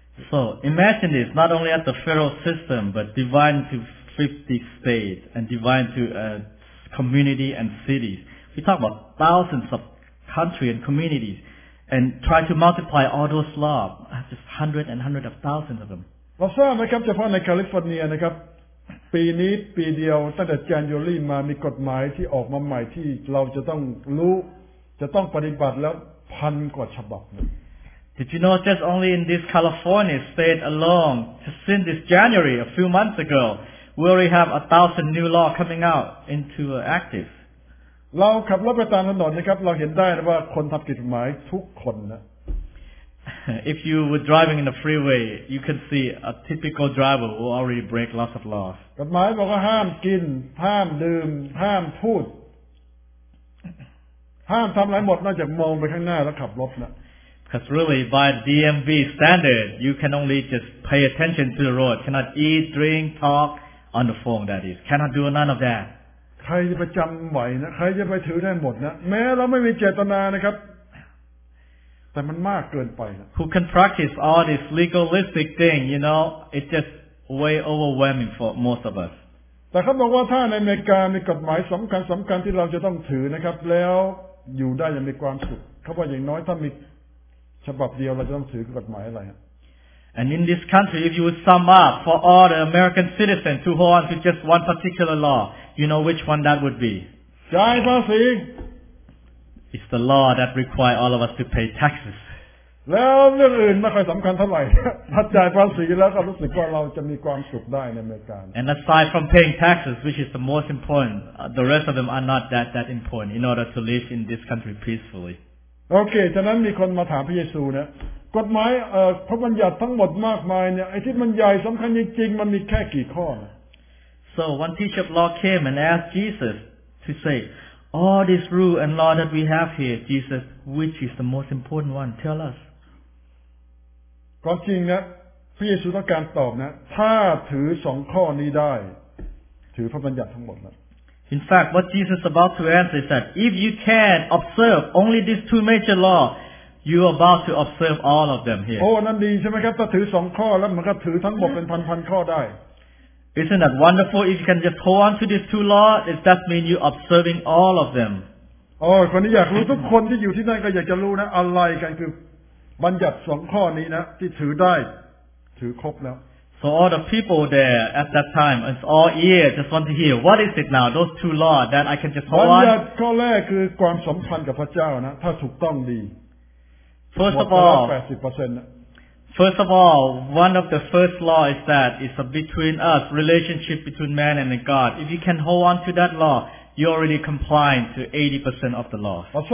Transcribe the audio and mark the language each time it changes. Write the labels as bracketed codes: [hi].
[en] So imagine this not only at the federal system but divide into 50 states and divide into a community and cities. We talk about thousands of country and communities and try to multiply all those laws. Just hundreds and hundreds of thousands of them. [th] เราทราบไหมครับเฉพาะในแคลิฟอร์เนียนะครับปีนี้ปีเดียวตั้งแต่ January มามีกฎหมายที่ออกมาใหม่ที่เราจะต้องรู้จะต้องปฏิบัติแล้วพันกว่าฉบับ [en] Did you know just only in this California state alone, since this January, a few months ago, we already have 1,000 new laws coming out into active. [th] เราขับรถไปตามถนนนะครับเราเห็นได้นะว่าคนทำกฎหมายทุกคนนะ [en] If you were driving in the freeway, you can see a typical driver who already break lots of laws. [th] กฎหมายบอกว่าห้ามกินห้ามดื่มห้ามพูดห้ามทำอะไรหมดนอกจากมองไปข้างหน้าแล้วขับรถนะ [en] Because really, by DMV standard, you can only just pay attention to the road. Cannot eat, drink, talk on the phone, that is. Cannot do none of that. [th] ใครจะไปจำไหวนะใครจะไปถือได้หมดนะแม้เราไม่มีเจตนานะครับแต่มันมากเกินไปนะ [en] Who can practice all this legalistic thing, you know? It's just way overwhelming for most of us. [th] แต่เขาบอกว่าถ้าในอเมริกามีกฎหมายสำคัญที่เราจะต้องถือนะครับแล้วอยู่ได้อย่างมีความสุขเขาบอกอย่างน้อยถ้ามีฉบับเดียวเราจะต้องถือกฎหมายอะไรฮะ [en] And in this country if you would sum up for all the American citizens to hold on to just one particular law you know which one that would be [th] จ่ายภาษี [en] It's the law that require all of us to pay taxes [th] แล้วเรื่องอื่นไม่ค่อยสำคัญเท่าไหร่ถ้าจ่ายภาษีแล้วก็รู้สึกว่าเราจะมีความสุขได้ในอเมริกา [en] And aside from paying taxes which is the most important the rest of them are not that important in order to live in this country peacefully [th] โอเคฉะนั้นมีคนมาถามพระเยซูนะกฎหมายพระบัญญัติทั้งหมดมากมายเนี่ยไอ้ที่มันใหญ่สำคัญจริงๆมันมีแค่กี่ข้อ [en] So one teacher of law came and asked Jesus to say all this rule and law that we have here Jesus which is the most important one tell us [th] ก็จริงนะพระเยซูต้องการตอบนะถ้าถือสองข้อนี้ได้ถือพระบัญญัติทั้งหมดนะ [en] In fact, what Jesus is about to answer is that if you can observe only these two major laws, you are about to observe all of them here. [th] Oh, นั่นดีใช่ไหมครับถ้าถือสองข้อแล้วมันก็ถือทั้งหมดเป็นพันๆข้อได้ [en] Isn't that wonderful? If you can just hold on to these two laws, it does mean you're observing all of them. [th] Oh, คนที่อยากรู้ทุกคนที่อยู่ที่นั่นก็อยากจะรู้นะอะไรกันคือบัญญัติสองข้อนี้นะที่ถือได้ถือครบแล้ว [en] So all the people there at that time, it's all ears, just want to hear, what is it now, those two laws that I can just hold on? [th] ข้อแรกคือความสัมพันธ์กับพระเจ้านะถ้าถูกต้องดี [en] First of all, one of the first law is that it's a between us, relationship between man and God. If you can hold on to that law, you already comply to 80% of the law.